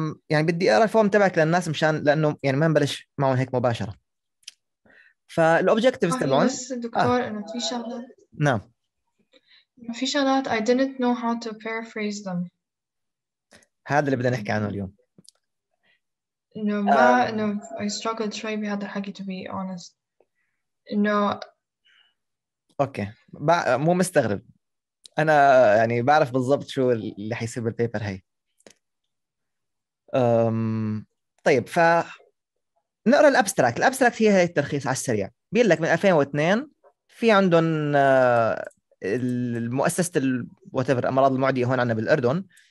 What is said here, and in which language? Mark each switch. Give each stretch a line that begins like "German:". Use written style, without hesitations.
Arabic: يعني بدي أقرأ الفورم تبعك للناس مشان لأنه يعني ما نبلش معهم هيك مباشرة، فالأوبجكتيفز تبعون بس دكتور أنا في شغلات في شغلات
English: I didn't know how to paraphrase them.
Arabic: هذا اللي بدنا نحكي عنه اليوم.
English: No,
Arabic: ما إنه
English: I struggled
Arabic: شوي بهذا الحكي
English: to be honest. No.
Arabic: أوكي. مو مستغرب. أنا يعني بعرف بالضبط شو اللي حيصير بالبيبر هاي. طيب فنقرأ الأبستراك. الأبستراك هي هاي الترخيص على السريع. بيقول لك من 2002 في عندهم المؤسسة الواتفر أمراض المعدية هون عنا بالأردن.